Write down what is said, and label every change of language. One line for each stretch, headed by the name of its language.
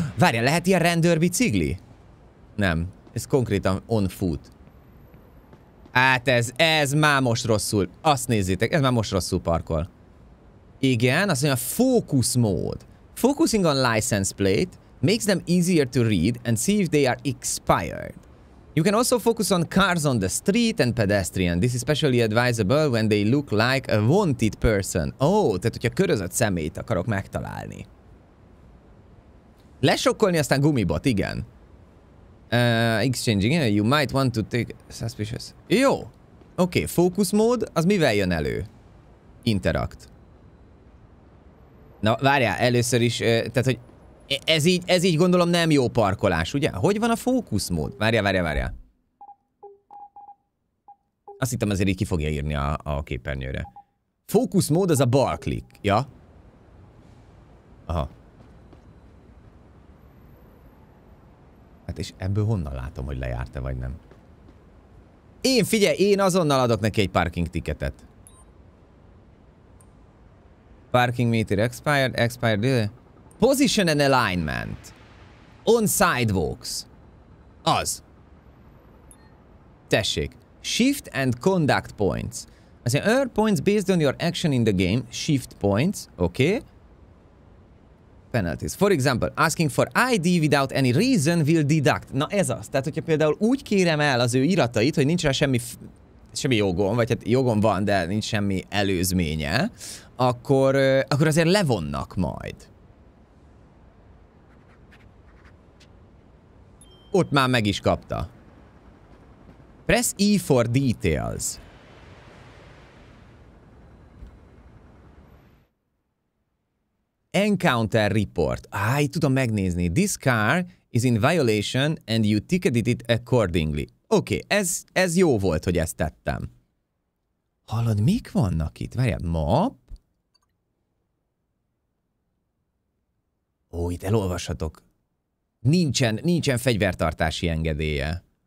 Hungarian: Várjál, lehet ilyen rendőrbicikli? Nem, ez konkrétan
English: on foot.
Hungarian: Hát ez már most rosszul. Azt nézzétek, ez már most rosszul parkol. Igen, azt mondja,
English: focus mode. Focusing on license plate makes them easier to read and see if they are expired. You can also focus on cars on the street and pedestrian. This is especially advisable when they look like a wanted person.
Hungarian: Oh, tehát hogyha körözött szemét akarok megtalálni. Lesokkolni aztán gumibot, igen.
English: Exchanging, you might want to take suspicious.
Hungarian: Jó. Oké, focus mode, az mivel jön elő? Interact. Na, várjál, először is, tehát, hogy ez így gondolom nem jó parkolás, ugye? Hogy van a fókuszmód? Várjál. Azt hittem azért így ki fogja írni a képernyőre. Fókuszmód az a bal klik, ja? Aha. Hát és ebből honnan látom, hogy lejárt-e vagy nem? Én figyelj, én azonnal adok neki egy parking ticketet.
English: Parking meter expired. Position and alignment. On sidewalks.
Hungarian: Az. Tessék.
English: Shift and conduct points.
Hungarian: Az ilyen
English: earn points based on your action in the game. Shift points. Oké. Okay. Penalties. For example, asking for ID without any reason will deduct.
Hungarian: Na ez az. Tehát, hogyha például úgy kérem el az ő iratait, hogy nincs rá semmi jogom, vagy hát jogom van, de nincs semmi előzménye, akkor azért levonnak majd. Ott már meg is kapta.
English: Press E for details. Encounter report.
Hungarian: Áj, tudom megnézni.
English: This car is in violation and you ticketed it accordingly.
Hungarian: Oké, ez jó volt, hogy ezt tettem. Hallod, mik vannak itt? Várjál, map? Ó, itt elolvashatok. Nincsen fegyvertartási engedélye.